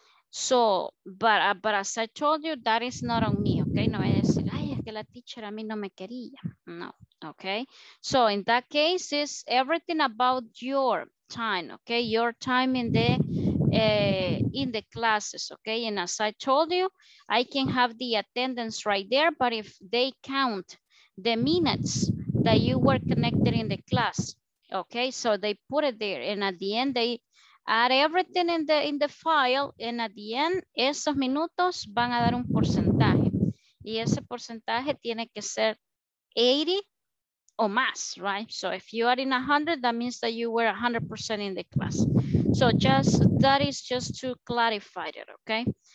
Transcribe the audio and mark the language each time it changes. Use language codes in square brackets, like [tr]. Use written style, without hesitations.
[en] So, but as I told you, that is not on me, okay? [es] No voy a decir, ay, es que la teacher a mí no me quería, no. [en] Okay, so in that case, it's everything about your time, okay? Your time in the classes, okay? And as I told you, I can have the attendance right there, but if they count the minutes that you were connected in the class, okay? So they put it there, and at the end, they add everything in the file, and at the end, esos minutos van a dar un porcentaje. [es] Y ese porcentaje tiene que ser 80, or mass, right? [en] So if you are in 100, that means that you were 100% in the class. So just that is just to clarify it, okay?